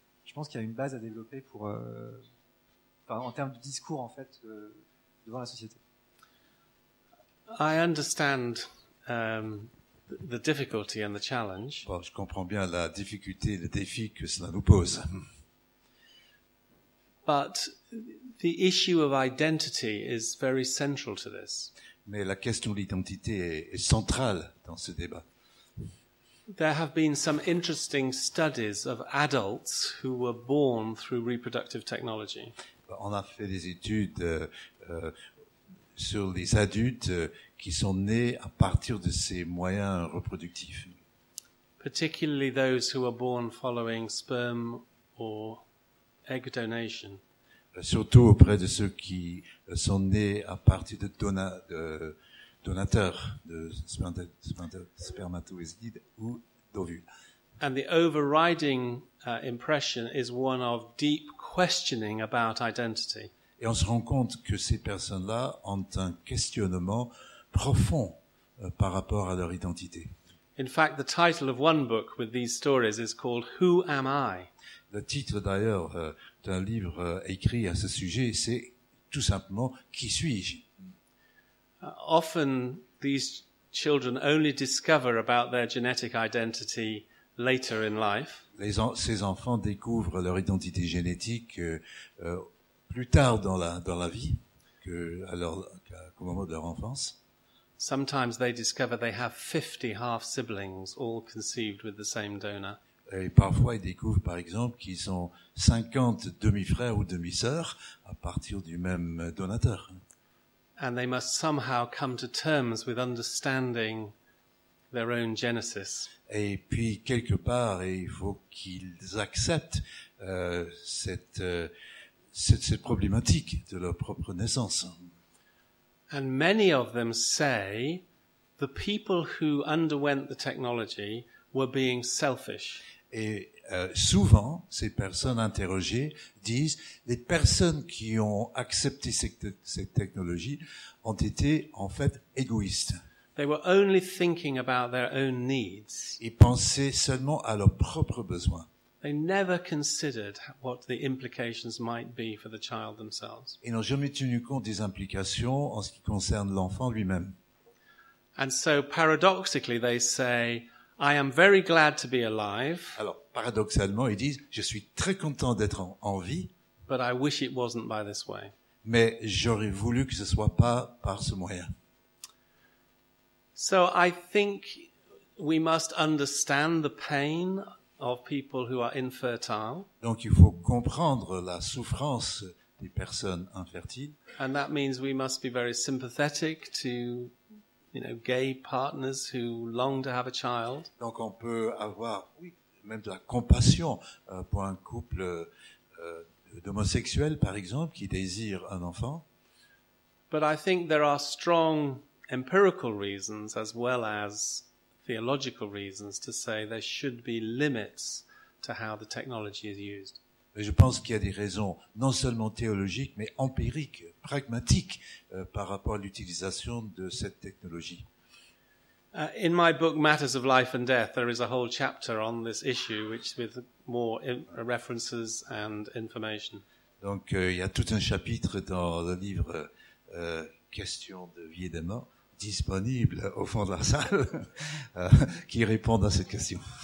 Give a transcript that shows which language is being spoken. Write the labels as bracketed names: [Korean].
[French] Je pense qu'il y a une base à développer pour, en termes de discours en fait devant la société. [English] I understand. The difficulty and the challenge. [French] Bon, je comprends bien la difficulté, le défi que cela nous pose. [English] But the issue of identity is very central to this. [French] Mais la question de l'identité est centrale dans ce débat. [English] There have been some interesting studies of adults who were born through reproductive technology. [French] Bon, on a fait des études sur les adultes qui sont nés à partir de ces moyens reproductifs. [English] Particularly those who are born following sperm or egg donation. [French] Surtout auprès de ceux qui sont nés à partir de donateurs de spermatozoïdes ou d'ovules. [English] And the overriding impression is one of deep questioning about identity. [French] Et on se rend compte que ces personnes-là ont un questionnement profond par rapport à leur identité. [English] In fact, the title of one book with these stories is called Who Am I? [French] Le titre d'ailleurs d'un livre écrit à ce sujet, c'est tout simplement Qui suis-je? [English] Often these children only discover about their genetic identity later in life. [French] Ces enfants découvrent leur identité génétique plus tard dans la vie que au moment de leur enfance. [English] Sometimes they discover they have 50 half siblings all conceived with the same donor. [French] Et parfois ils découvrent par exemple qu'ils ont 50 demi-frères ou demi-sœurs à partir du même donateur. [English] And they must somehow come to terms with understanding their own genesis. [French] Et puis quelque part il faut qu'ils acceptent cette problématique de leur propre naissance. [English] And many of them say the people who underwent the technology were being selfish. [French] Et souvent, ces personnes interrogées disent les personnes qui ont accepté cette technologie ont été en fait égoïstes. [English] They were only thinking about their own needs. [French] Ils pensaient seulement à leurs propres besoins. [English] They never considered what the implications might be for the child themselves. [French] Ils n'ont jamais tenu compte des implications en ce qui concerne l'enfant lui-même. [English] And so paradoxically they say, I am very glad to be alive. [French] Alors, paradoxalement, ils disent, je suis très content d'être en vie. [English] But I wish it wasn't by this way. [French] Mais j'aurais voulu que ce soit pas par ce moyen. [English] So I think we must understand the pain of people who are infertile. [French] Donc il faut comprendre la souffrance des personnes infertiles. [English] And that means we must be very sympathetic to, you know, gay partners who long to have a child. [French] Donc on peut avoir, oui, même de la compassion pour un couple d'homosexuels, par exemple, qui désirent un enfant. [English] But I think there are strong empirical reasons as well as theological reasons to say there should be limits to how the technology is used. [French] Mais je pense qu'il y a des raisons non seulement théologiques mais empiriques, pragmatiques par rapport à l'utilisation de cette technologie. [English] In my book Matters of Life and Death there is a whole chapter on this issue which with more references and information. [French] Donc il y a tout un chapitre dans le livre Questions de vie et de mort disponible au fond de la salle qui répond à cette question.